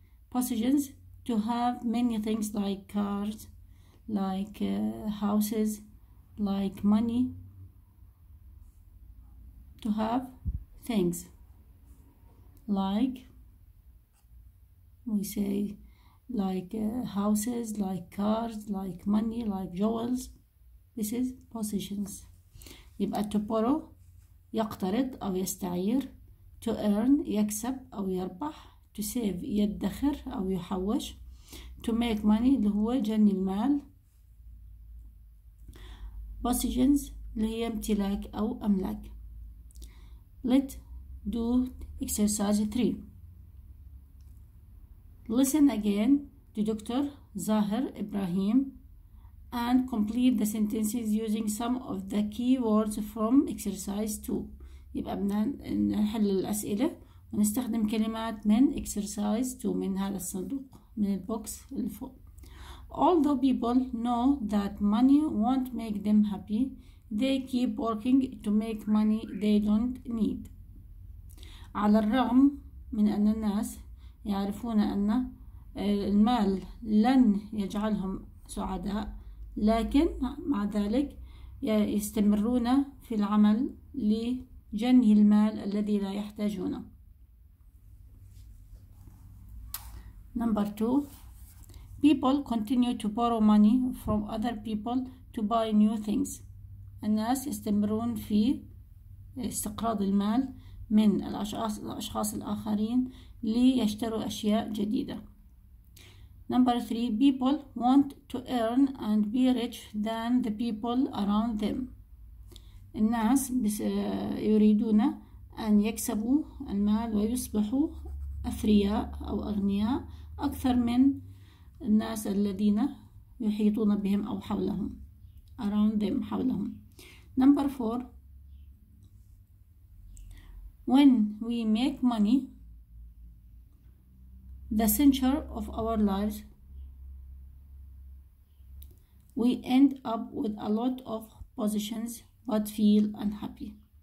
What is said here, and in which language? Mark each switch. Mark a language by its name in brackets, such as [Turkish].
[English] Possessions, to have many things like cars, like houses, like money. To have things like, we say, like houses, like cars, like money, like jewels. This is possessions. [Arabic] يبقى [English] to borrow [Arabic] يقترض أو يستعير، [English] to earn [Arabic] يكسب أو يربح، [English] to save [Arabic] يدخر أو يحوش، [English] to make money [Arabic] اللي هو جني المال، possessions اللي هي امتلاك أو أملاك. [English] Let do exercise 3. Listen again to Dr. Zahir Ibrahim and complete the sentences using some of the key words from exercise 2. [Arabic] يبقى بدنا نحل الأسئلة ونستخدم كلمات من exercise 2، من هذا الصندوق، من البوكس اللي فوق. [English] Although people know that money won't make them happy, they keep working to make money they don't need. [Arabic] على الرغم من أن الناس يعرفون أن المال لن يجعلهم سعداء، لكن مع ذلك يستمرون في العمل لجني المال الذي لا يحتاجونه. [English] Number two, people continue to borrow money from other people to buy new things. [Arabic] الناس يستمرون في استقراض المال من الأشخاص الآخرين ليشتروا أشياء جديدة. [English] Number three, people want to earn and be rich than the people around them. [Arabic] الناس يريدون أن يكسبوا المال ويصبحوا أثرياء أو أغنياء أكثر من الناس الذين يحيطون بهم أو حولهم. [English] Around them، [Arabic] حولهم. [English] Number four, when we make money, the center of our lives, we end up with a lot of positions but feel unhappy.